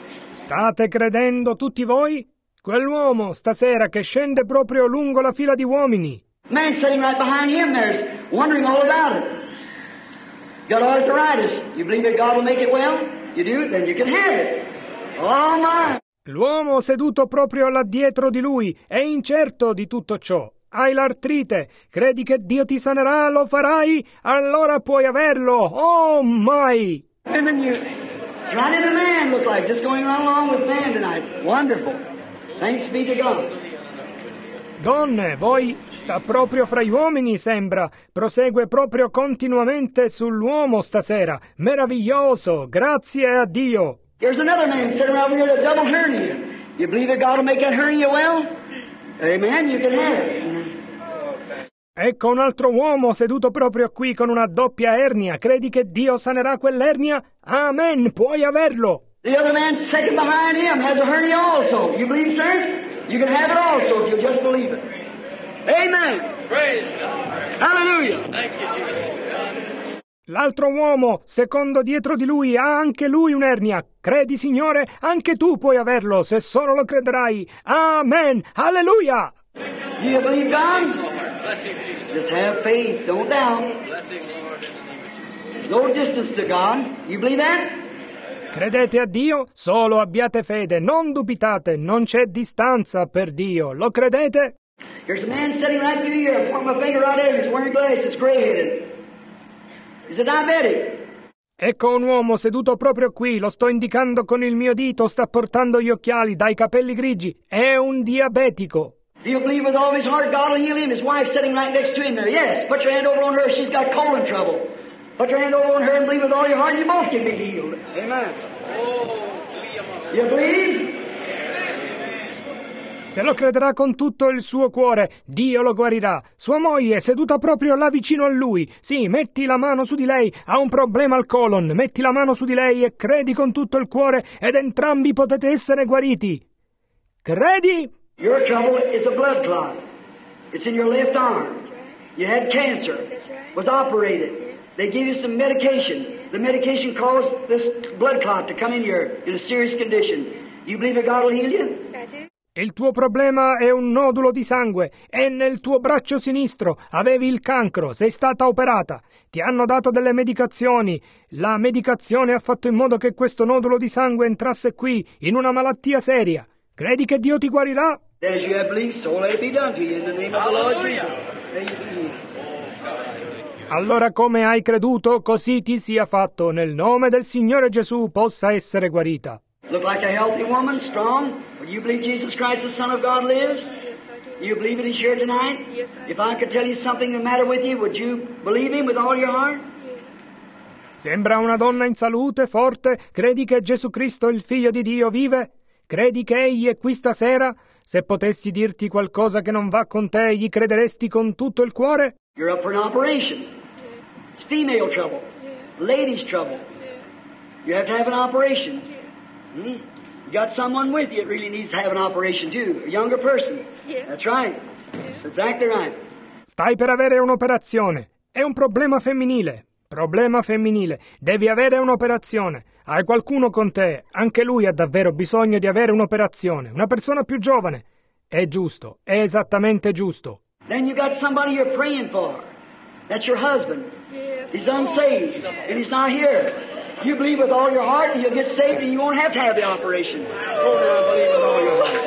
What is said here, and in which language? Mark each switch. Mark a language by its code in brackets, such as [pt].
[it] State credendo tutti voi? Quell'uomo stasera che scende proprio lungo la fila di uomini. [en] Man sitting right behind him there's wondering all about it. Got arthritis. You believe that God will make it well? You do? Then you can have it. Oh my! [it] L'uomo seduto proprio là dietro di lui è incerto di tutto ciò. Hai l'artrite, credi che Dio ti sanerà, lo farai? Allora puoi averlo, [en] oh my! And then you, it's right in the man, looks like, just going right along with man tonight. Wonderful. Thanks be to God. [it] Donne, voi, sta proprio fra gli uomini, sembra. Prosegue proprio continuamente sull'uomo stasera. Meraviglioso, grazie a Dio. [en] Here's another man sitting around here with a double hernia. You believe that God will make that hernia well? Amen, you can have it. [it] Ecco un altro uomo seduto proprio qui con una doppia ernia. Credi che Dio sanerà quell'ernia? Amen, puoi averlo. [en] The other man second behind him has a hernia also. You believe, sir? You can have it also if you just believe it. Amen. Praise God. Hallelujah. Thank you, Jesus. [it] L'altro uomo secondo dietro di lui ha anche lui un'ernia. Credi, signore? Anche tu puoi averlo se solo lo crederai. Amen. Hallelujah. [en] Do you believe God? Just have faith. Don't doubt. No distance to God. You believe that? [it] Credete a Dio? Solo abbiate fede. Non dubitate. Non c'è distanza per Dio. Lo credete? [en] There's a man sitting right through here. I put my finger right there. He's wearing glasses. Gray-headed. He's a diabetic. [it] Ecco un uomo seduto proprio qui, lo sto indicando con il mio dito, sta portando gli occhiali, dai capelli grigi. È un diabetico. [en] If he'll believe with all his heart, God will heal him. His wife sitting right next to him there. Yes, put your hand over on her. She's got colon trouble. Put your hand over on her and believe with all your heart, and you both can be healed. Amen. You believe? [it] Se lo crederà con tutto il suo cuore, Dio lo guarirà. Sua moglie è seduta proprio là vicino a lui. Sì, metti la mano su di lei, ha un problema al colon. Metti la mano su di lei e credi con tutto il cuore ed entrambi potete essere guariti. Credi! [en] Your trouble is a blood clot. It's in your left arm. You had cancer. Was operated. They gave you some medication. The medication caused this blood clot to come in here in a serious condition. You believe that God will heal you? [it] Il tuo problema è un nodulo di sangue, è nel tuo braccio sinistro, avevi il cancro, sei stata operata, ti hanno dato delle medicazioni, la medicazione ha fatto in modo che questo nodulo di sangue entrasse qui, in una malattia seria. Credi che Dio ti guarirà? [en] As you have believed, so let it be done to you in the name of the Lord Jesus. [it] Allora come hai creduto, così ti sia fatto, nel nome del Signore Gesù possa essere guarita. [en] Look like a healthy woman, strong. You believe Jesus Christ, the Son of God, lives? Yes, you believe it is here tonight? Yes, if I could tell you something the matter with you, would you believe him with all your heart? Yes. [it] Sembra una donna in salute, forte. Credi che Gesù Cristo, il Figlio di Dio, vive? Credi che Egli è qui stasera? Se potessi dirti qualcosa che non va con te, gli crederesti con tutto il cuore? [en] You're up for an operation. Yes. It's female trouble. Yes. Ladies' trouble. Yes. You have to have an operation. Yes. Hmm? You got someone with you that really needs to have an operation too. A younger person. Yes. That's right. Yes. Exactly right. [it] Stai per avere un'operazione. È un problema femminile. Problema femminile. Devi avere un'operazione. Hai qualcuno con te. Anche lui ha davvero bisogno di avere un'operazione. Una persona più giovane. È giusto. È esattamente giusto. [en] Then you got somebody you're praying for. That's your husband. Yes. He's unsaved. Yes. And he's not here. You believe with all your heart and you'll get saved and you won't have to have the operation. Oh, I believe with all your heart.